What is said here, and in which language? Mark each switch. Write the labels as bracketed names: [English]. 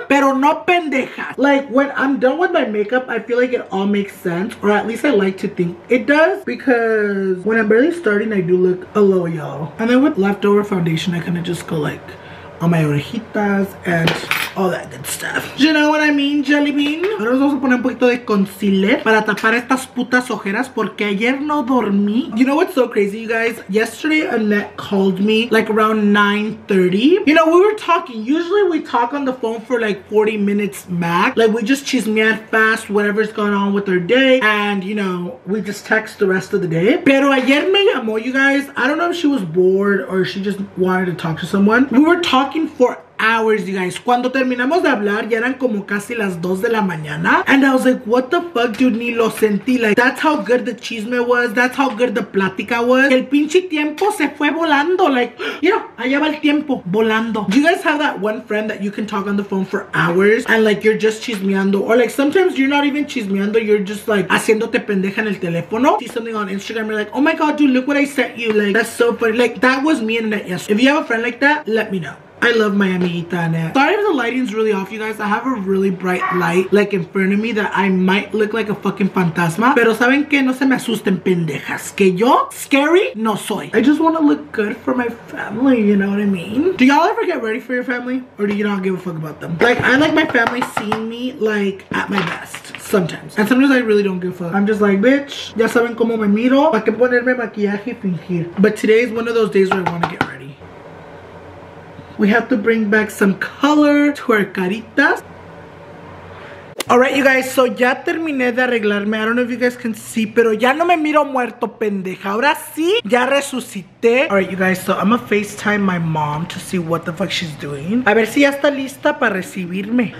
[Spanish] Pero no pendeja. [English] Like, when I'm done with my makeup, I feel like it all makes sense. Or at least I like to think it does. Because when I'm barely starting, I do look a little yellow. And then with leftover foundation, I kind of just go like on my orejitas and all that good stuff. You know what I mean, Jelly Bean? [Spanish] Ahora nos vamos a poner un poquito de concealer para tapar estas putas ojeras porque ayer no dormí. [English] You know what's so crazy, you guys? Yesterday, Annette called me like around 9:30. You know, we were talking. Usually, we talk on the phone for like 40 minutes max. Like, we just chismear fast whatever's going on with our day. And, you know, we just text the rest of the day. [Spanish] Pero ayer me llamó, [English] you guys. I don't know if she was bored or she just wanted to talk to someone. We were talking for hours, you guys. [Spanish] Cuando terminamos de hablar, ya eran como casi las 2 de la mañana. [English] And I was like, what the fuck, dude? [Spanish] Ni lo sentí. [English] Like, that's how good the chisme was. That's how good the plática was. [Spanish] El pinche tiempo se fue volando. [English] Like, you know, [Spanish] allá va el tiempo volando. [English] Do you guys have that one friend that you can talk on the phone for hours and like you're just chismeando? Or like sometimes you're not even chismeando. You're just like [Spanish] haciéndote pendeja en el teléfono. [English] See something on Instagram. You're like, oh my God, dude, look what I sent you. Like, that's so funny. Like, that was me and Annette yesterday. If you have a friend like that, let me know. I love my amiguita Annette. Sorry if the lighting's really off, you guys. I have a really bright light, like, in front of me that I might look like a fucking fantasma. [Spanish] Pero saben que no se me asusten, pendejas. Que yo, scary, no soy. [English] I just want to look good for my family, you know what I mean? Do y'all ever get ready for your family? Or do you not give a fuck about them? Like, I like my family seeing me, like, at my best. Sometimes. And sometimes I really don't give a fuck. I'm just like, bitch, [Spanish] ya saben cómo me miro. ¿Para qué ponerme maquillaje y fingir? [English] But today is one of those days where I want to get ready. We have to bring back some color to our caritas. Alright, you guys, so [Spanish] ya terminé de arreglarme. [English] I don't know if you guys can see, [Spanish] pero ya no me miro muerto, pendeja. Ahora sí, ya resucité. [English] Alright, you guys, so I'm gonna FaceTime my mom to see what the fuck she's doing. [Spanish] A ver si ya está lista para recibirme.